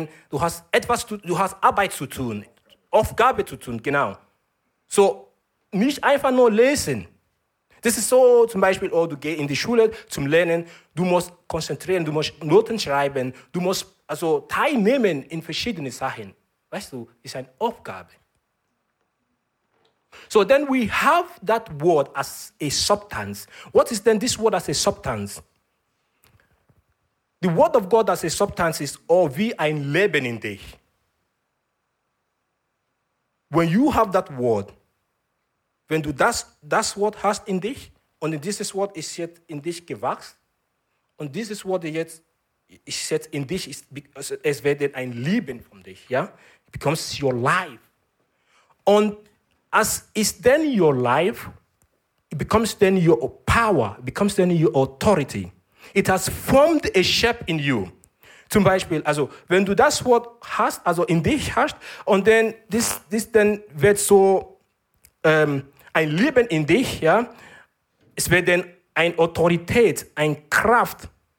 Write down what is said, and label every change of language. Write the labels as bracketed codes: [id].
[de] Du hast Arbeit zu tun, Aufgabe zu tun, genau. So, nicht einfach nur lesen. Das ist so, zum Beispiel, du gehst in die Schule zum Lernen, du musst konzentrieren, du musst Noten schreiben, du musst also teilnehmen in verschiedenen Sachen. Weißt du, ist eine Aufgabe. [en] So then we have that word as a substance. What is then this word as a substance? The word of God as a substance is all [de] wie ein Leben in dich. [en] When you have that word, [de] wenn du das Wort hast in dich, und dieses Wort ist jetzt in dich gewachsen, und dieses Wort jetzt ist jetzt in dich, es wird ein Leben von dich, ja? [en] It becomes your life. Und as is then your life, It becomes then your power, becomes then your authority. It has formed a shape in you. [de] Zum Beispiel, also wenn du das Wort hast, also in dich hast, und dann das dann wird so ein Leben in dich, ja, es wird dann eine Autorität, eine Kraft.